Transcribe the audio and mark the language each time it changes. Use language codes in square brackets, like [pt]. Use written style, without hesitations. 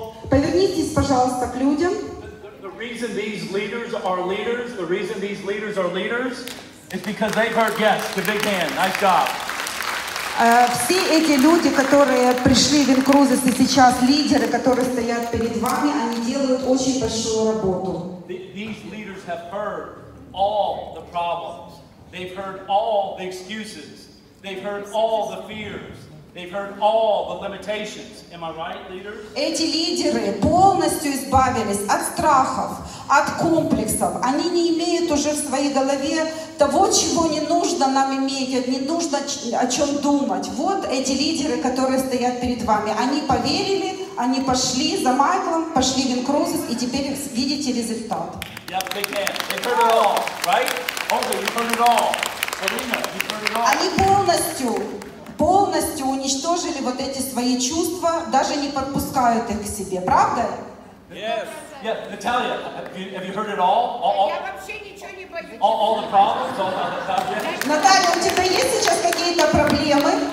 [ru] Повернитесь, пожалуйста, к людям. [en] The reason these leaders are leaders, the reason these leaders are leaders, is because they've heard yes. The big hand. Nice job. [ru] Все эти люди, которые пришли в Incruises и сейчас лидеры, которые стоят перед вами, они делают очень большую работу. [en] These leaders have heard all the problems. They've heard all the excuses. They've heard all the fears. They've heard all the limitations. Am I right, leaders? [ru] Эти лидеры полностью избавились от страхов, от комплексов. Они не имеют уже в своей голове того, чего не нужно нам иметь, не нужно о чем думать. Вот эти лидеры, которые стоят перед вами. Они поверили, они пошли за Майклом, пошли в Incruises, и теперь видите результат. [en] Yep, they can. They heard it all, right? Also, you heard it all. Serena, you heard it all. [ru] Они полностью... полностью уничтожили вот эти свои чувства, даже не подпускают их к себе, правда? [en] Yes. Yeah, Natalia, have you heard it all? [ru] Я вообще ничего не боюсь. [en] All the problems, all the problems. [ru] Наталья, у тебя есть сейчас какие-то проблемы?